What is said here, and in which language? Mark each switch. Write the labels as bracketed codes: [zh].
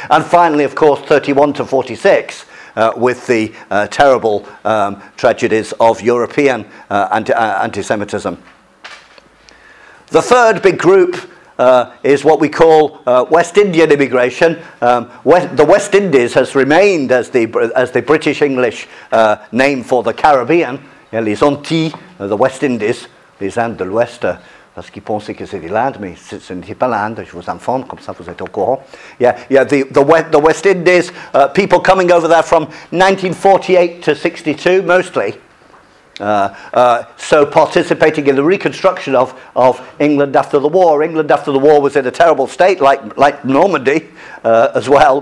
[en] And finally, of course, 31 to 46, with the terrible tragedies of European anti-Semitism. The third big group is what we call West Indian immigration. The West Indies has remained as the British English name for the Caribbean. [fr] Les Antilles, [en] the West Indies, [fr] les Indes de l'Ouest. Parce qu'ils pensaient que c'était l'Inde, mais ce n'était pas l'Inde. Je vous informe, comme ça vous êtes au courant. [en] The West Indies, people coming over there from 1948 to 62, mostly. So participating in the reconstruction of England after the war. England after the war was in a terrible state, like Normandy as well.